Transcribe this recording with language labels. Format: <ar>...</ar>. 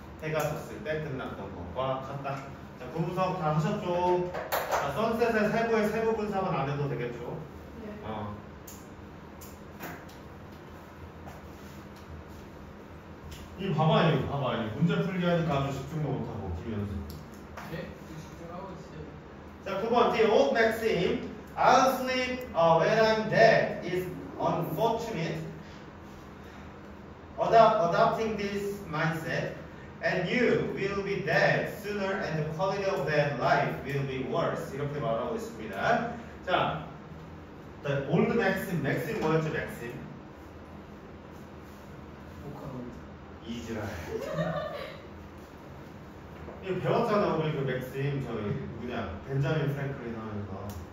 <ko>해가 졌을 때 끝났던 것과 같다. 자, 구분사업 다 하셨죠? 자, 선셋의 세부의 세부 분사만 안 해도 되겠죠? 네. 이거 봐봐요, 문제 풀기 하니까 아주 집중도 못하고, 김현수. 네, 집중하고 있어요.</ko> <en>자, 9번, The old maxim, I'll sleep when I'm dead is unfortunate. Adopting this mindset. And you will be dead sooner and the quality of that life will be worse.</en> <ko>이렇게 말하고 있습니다.</ko> <en>자, the old maxim, maxim 뭐였죠, maxim?</en> <ko>이즈라엘. 이거 배웠잖아, 우리 그 맥심, 저기, 누구냐, 벤자민 프랭클린 하면서.</ko>